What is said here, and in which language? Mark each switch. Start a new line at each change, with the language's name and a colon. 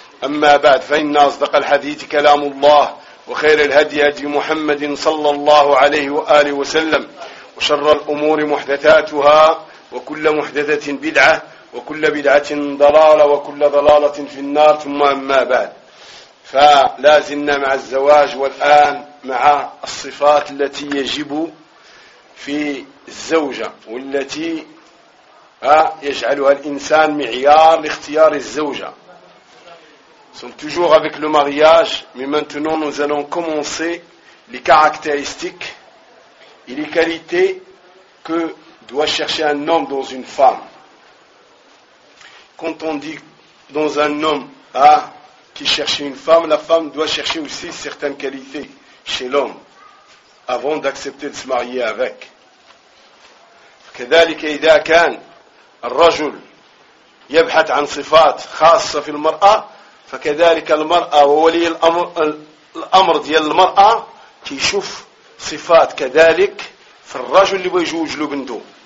Arabic: أما بعد، فإن أصدق الحديث كلام الله، وخير الهدي هدي محمد صلى الله عليه وآله وسلم، وشر الأمور محدثاتها، وكل محدثة بدعة، وكل بدعة ضلالة، وكل ضلالة في النار. ثم أما بعد، فلازلنا مع الزواج، والآن مع الصفات التي يجب في الزوجة والتي يجعلها الإنسان معيار لاختيار الزوجة.
French: Sont toujours avec le mariage, mais maintenant nous allons commencer les caractéristiques et les qualités que doit chercher un homme dans une femme. Quand on dit dans un homme qui cherche une femme, la femme doit chercher aussi certaines qualités chez l'homme avant d'accepter de se marier avec.
Arabic: كذلك إذا كان الرجل يبحث عن صفات خاصة في المرأة فكذلك المرأة وولي الأمر ديال المرأة كيشوف صفات كذلك في الرجل اللي بيجوج له بنته.